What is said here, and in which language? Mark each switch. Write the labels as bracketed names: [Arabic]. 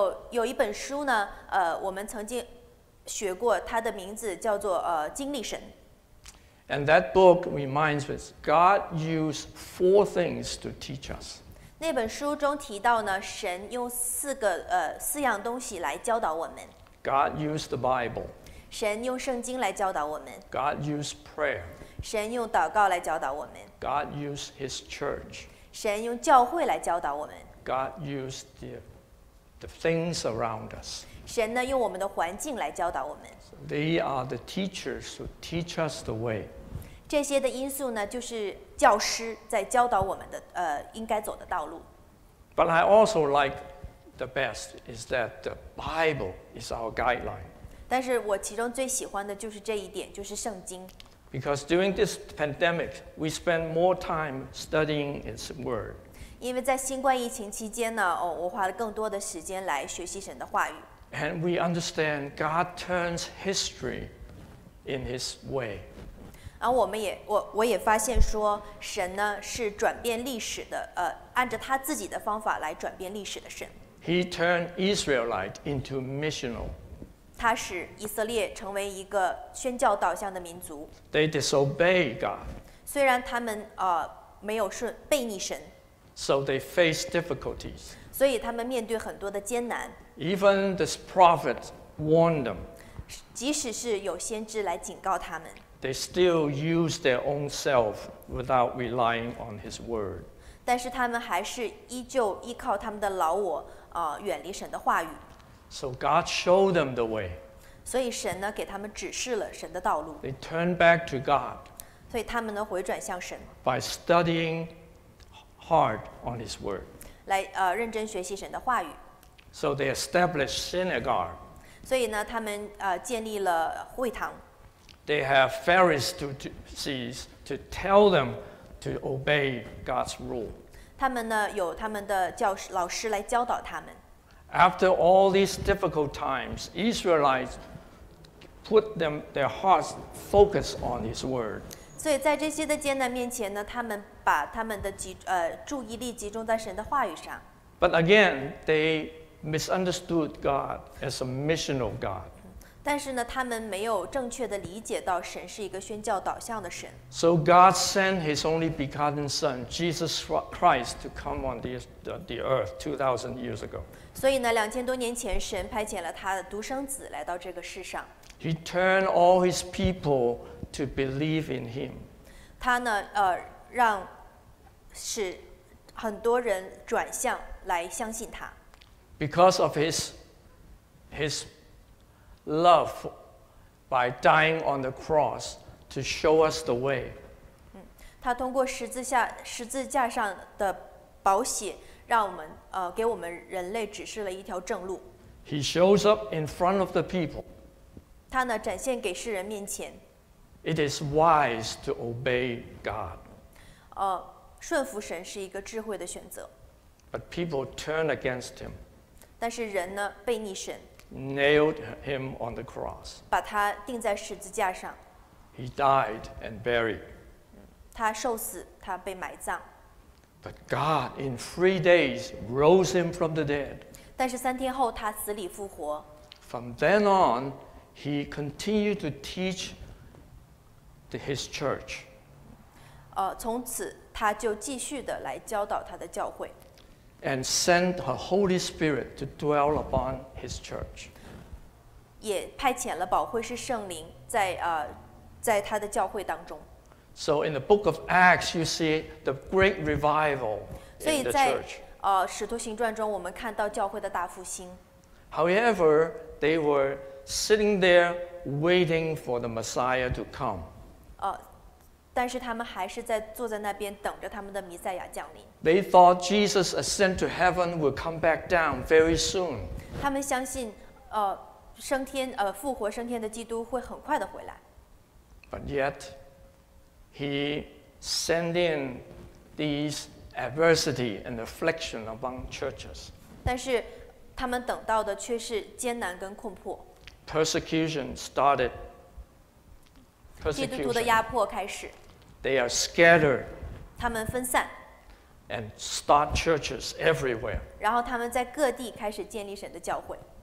[Chinese] 有一本书呢，我们曾经学过，它的名字叫做经历神。 [English] And that book reminds us God used four things to teach us. [Chinese] 那本书中提到呢，神用四样东西来教导我们。 [English] God used the Bible. [Chinese] 神用圣经来教导我们。 [English] God used prayer. [Chinese] 神用祷告来教导我们。 [English] God used His church. [Chinese] 神用教会来教导我们。 [English] God used the things around us. [Chinese] 神呢用我们的环境来教导我们。 [English] They are the teachers who teach us the way. [Chinese] 这些的因素呢，就是教师在教导我们的应该走的道路。 [English] But I also like the best is that the Bible is our guideline. [Chinese] 但是我其中最喜欢的就是这一点，就是圣经。 [English] Because during this pandemic, we spend more time studying its word. [Chinese] 因为在新冠疫情期间呢，我花了更多的时间来学习神的话语。 [English] And we understand God turns history in His way. [Chinese] 然后我也发现说，神呢是转变历史的，按着他自己的方法来转变历史的神。 [English] He turned Israelite into missional. [Chinese] 他使以色列成为一个宣教导向的民族。 [English] They disobey God. [Chinese] 虽然他们没有顺背逆神。 [English] So they face difficulties. [Chinese] 所以他们面对很多的艰难。 [English] Even this prophet warned them. [Chinese] 即使是有先知来警告他们。 [English] They still use their own self without relying on His word. [Chinese] 但是他们还是依旧依靠他们的老我，远离神的话语。 [English] So God showed them the way. [Chinese] 所以神呢给他们指示了神的道路。 [English] They turned back to God. [Chinese] 所以他们呢回转向神。 [English] By studying hard on His word. [Chinese] 来认真学习神的话语。 [English] So they established synagogue. [Chinese] 所以呢他们建立了会堂。 [English] They have Pharisees to tell them to obey God's rule. [Chinese] 他们呢有他们的教师老师来教导他们。 [English] After all these difficult times, Israelites put their hearts focus on His word. [Chinese] 所以在这些的艰难面前呢，他们把他们的注意力集中在神的话语上。 [English] But again, they misunderstood God as a missional God. [Chinese] 但是呢，他们没有正确的理解到神是一个宣教导向的神。 [English] So God sent His only begotten Son, Jesus Christ, to come on the earth 2,000 years ago. [Chinese] 所以呢，两千多年前，神派遣了他的独生子来到这个世上。 [English] He turned all his people to believe in him. [Chinese] 他呢，让使很多人转向来相信他。 [English] Because of his love, by dying on the cross to show us the way. [Chinese] 他通过十字架上的宝血。让我们给我们人类指示了一条正路。 [English] He shows up in front of the people. [Chinese] 他呢展现给世人面前。 [English] It is wise to obey God. [Chinese] 顺服神是一个智慧的选择。 [English] But people turned against him. [Chinese] 但是人呢，背逆神。 [English] Nailed him on the cross. [Chinese] 把他钉在十字架上。 [English] He died and buried. [Chinese] 他受死，他被埋葬。 [English] But God, in 3 days, rose him from the dead. [Chinese] 但是三天后，他死里复活。 [English] From then on, he continued to teach his church. [Chinese] 从此他就继续的来教导他的教会。 [English] And sent her Holy Spirit to dwell upon his church. [Chinese] 也派遣了宝惠师圣灵在在他的教会当中。 [English] So in the book of Acts, you see the great revival in the church. [Chinese] 所以在使徒行传中，我们看到教会的大复兴。 [English] However, they were sitting there waiting for the Messiah to come. [Chinese] 但是他们还是在坐在那边等着他们的弥赛亚降临。 [English] They thought Jesus ascended to heaven would come back down very soon. [Chinese] 他们相信升天复活升天的基督会很快的回来。 [English] But yet, he sent in these adversity and affliction among churches. [Chinese] 但是他们等到的却是艰难跟困迫。 [English] Persecution started. [Chinese] 基督徒的压迫开始。 [English] They are scattered. [Chinese] 他们分散。 [English] And start churches everywhere. [Chinese] 然后他们在各地开始建立神的教会。